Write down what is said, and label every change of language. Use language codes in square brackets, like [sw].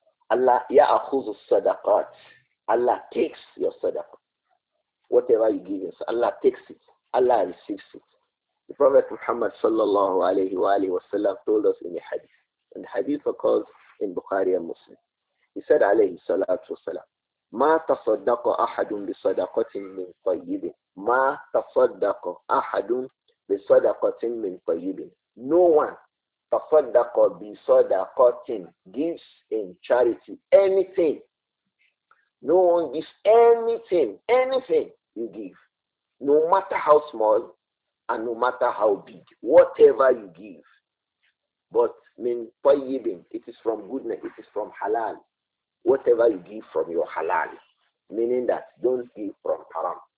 [en] Allah, [ar] ya'akhuzu sadaqat. [en] Allah takes your sadaqah. Whatever you give us, Allah takes it. Allah receives it. The Prophet Muhammad sallallahu alayhi wa alayhi wa sallam told us in a hadith. And the hadith occurs in Bukhari and Muslim. He said alayhi salatu wa salam, [ar] مَا تَصَدَّقَ أَحَدٌ بِصَدَقَةٍ مِّنْ طَيِّبٍ مَا تَصَدَّقَ أَحَدٌ بِصَدَقَةٍ مِّنْ طَيِّبٍ [en] No one [ar] تَصَدَّقَ بِصَدَقَةٍ [en] gives in charity anything. No one gives anything you give. No matter how small and no matter how big, whatever you give. But [ar] مِّنْ طَيِّبٍ [en] it is from goodness, it is from halal. Whatever you give from your halal, meaning that don't give from haram.